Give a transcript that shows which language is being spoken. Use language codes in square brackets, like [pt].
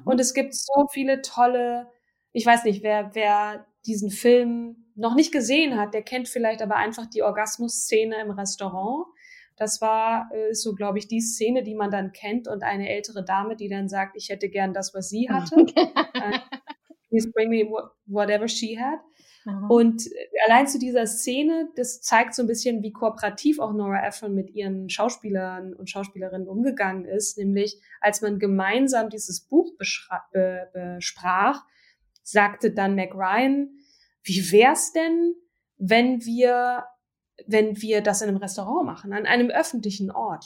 [de] Und es gibt so viele tolle, ich weiß nicht, wer diesen Film noch nicht gesehen hat, der kennt vielleicht aber einfach die Orgasmus-Szene im Restaurant. Das war so, glaube ich, die Szene, die man dann kennt, und eine ältere Dame, die dann sagt, ich hätte gern das, was sie hatte. [en] Please bring me whatever she had. [de] Aha. Und allein zu dieser Szene, das zeigt so ein bisschen, wie kooperativ auch Nora Ephron mit ihren Schauspielern und Schauspielerinnen umgegangen ist. Nämlich, als man gemeinsam dieses Buch besprach, sagte dann Meg Ryan, wie wär's denn, wenn wir das in einem Restaurant machen, an einem öffentlichen Ort?